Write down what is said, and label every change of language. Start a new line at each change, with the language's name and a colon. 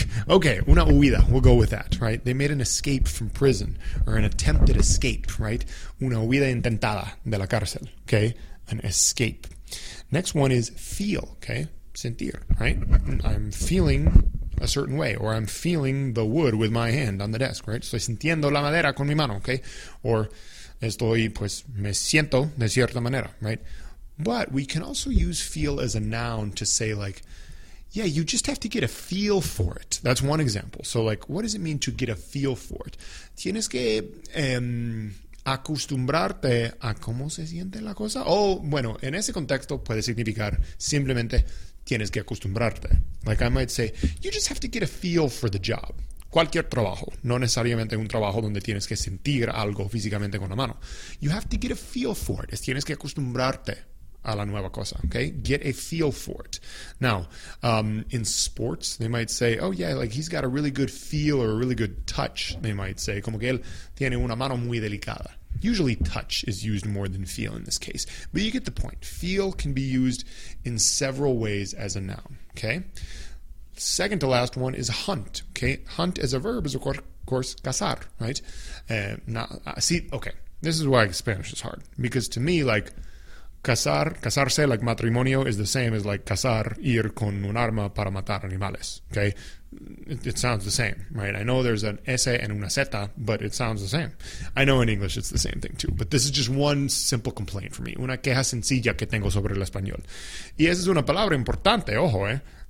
English: Okay,
Spanish: una huida.
English: We'll go with that, right? They made an escape from prison, or an attempted escape, right?
Spanish: Una huida intentada de la cárcel, okay? An escape.
English: Next one is feel, okay? Sentir, right? I'm feeling a certain way, or I'm feeling the wood with my hand on the desk, right?
Spanish: Estoy sintiendo la madera con mi mano, okay? Or estoy, pues, me siento de cierta manera, right?
English: But we can also use feel as a noun to say, like, yeah, you just have to get a feel for it. That's one example. So, like, what does it mean to get a feel for it?
Spanish: Tienes que acostumbrarte a cómo se siente la cosa. Oh, bueno, en ese contexto puede significar simplemente tienes que acostumbrarte.
English: Like, I might say, you just have to get a feel for the job.
Spanish: Cualquier trabajo, no necesariamente un trabajo donde tienes que sentir algo físicamente con la mano.
English: You have to get a feel for it.
Spanish: Tienes que acostumbrarte a la nueva cosa, okay?
English: Get a feel for it. Now, in sports, they might say, oh yeah, like he's got a really good feel or a really good touch, they might say.
Spanish: Como que él tiene una mano muy delicada.
English: Usually touch is used more than feel in this case. But you get the point. Feel can be used in several ways as a noun, okay? Second to last one is hunt, okay? Hunt as a verb is, of course, cazar, right? Okay, this is why Spanish is hard. Because to me, like, casarse, like matrimonio, is the same as like cazar, ir con un arma para matar animales, okay? It sounds the same, right? I know there's an S and una Z, but it sounds the same. I know in English it's the same thing too, but this is just one simple complaint for me.
Spanish: Una queja sencilla que tengo sobre el español. Y esa es una palabra importante, ojo, eh?